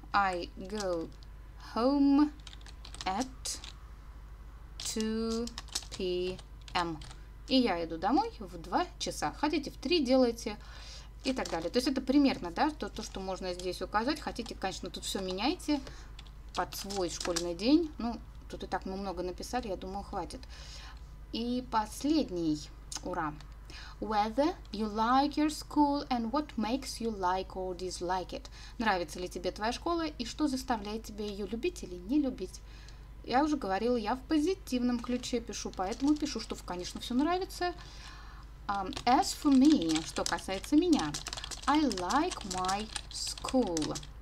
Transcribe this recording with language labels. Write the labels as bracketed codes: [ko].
[en] I go home at 2 p.m. [ru] И я иду домой в 2 часа. Хотите, в 3 делайте и так далее. То есть это примерно, да, то, что можно здесь указать. Хотите, конечно, тут все меняйте под свой школьный день. Ну, Тут и так мы много написали, я думаю, хватит. И последний. Ура. [en] Whether you like your school and what makes you like or dislike it. [ru] Нравится ли тебе твоя школа и что заставляет тебя ее любить или не любить? Я уже говорила, я в позитивном ключе пишу, поэтому пишу, что, конечно, все нравится. [en] As for me, [ru] что касается меня, [en] I like my school.